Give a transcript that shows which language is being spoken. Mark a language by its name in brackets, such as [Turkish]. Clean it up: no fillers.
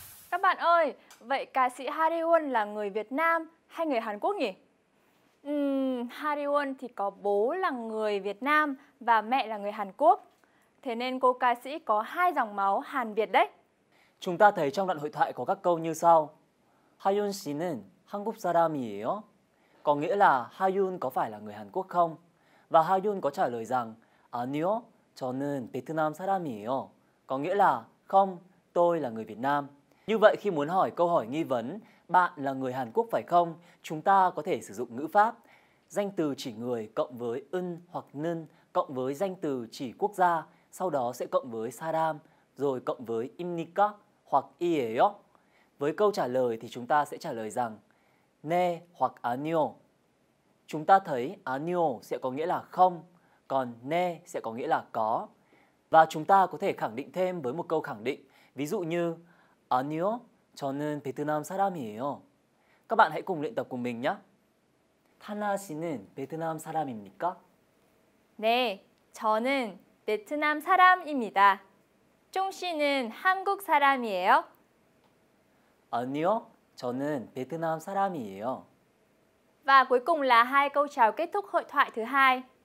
[Vietnamese] các bạn ơi, vậy ca sĩ Hariwon là người Việt Nam hay người Hàn Quốc nhỉ? Hariwon thì có bố là người Việt Nam và mẹ là người Hàn Quốc. Thế nên cô ca sĩ có hai dòng máu Hàn Việt đấy. Chúng ta thấy trong đoạn hội thoại có các câu như sau. [Korean] Hayun 씨는 한국 사람이에요. [Vietnamese] Có nghĩa là Hayun có phải là người Hàn Quốc không? Và Hayun có trả lời rằng [Korean] 아니요, 저는 베트남 사람이에요. [Vietnamese] Có nghĩa là không, tôi là người Việt Nam. Như vậy khi muốn hỏi câu hỏi nghi vấn bạn là người Hàn Quốc phải không? Chúng ta có thể sử dụng ngữ pháp danh từ chỉ người cộng với 은 hoặc 는 cộng với danh từ chỉ quốc gia, sau đó sẽ cộng với 사람, rồi cộng với 입니까 hoặc 이에요. Với câu trả lời thì chúng ta sẽ trả lời rằng 네 hoặc 아니요. Chúng ta thấy 아니요 sẽ có nghĩa là không, còn 네 sẽ có nghĩa là có. Và chúng ta có thể khẳng định thêm với một câu khẳng định, ví dụ như [Korean] 아니요, 저는 베트남 사람이에요. [Vietnamese] Các bạn hãy cùng luyện tập cùng mình nhé. [Korean] 타나 씨는 베트남 사람입니까? 네, 저는 베트남 사람입니다. 쫑 씨는 한국 사람이에요? 아니요, 저는 베트남 사람이에요. [Vietnamese] Và cuối cùng là hai câu chào kết thúc hội thoại thứ hai.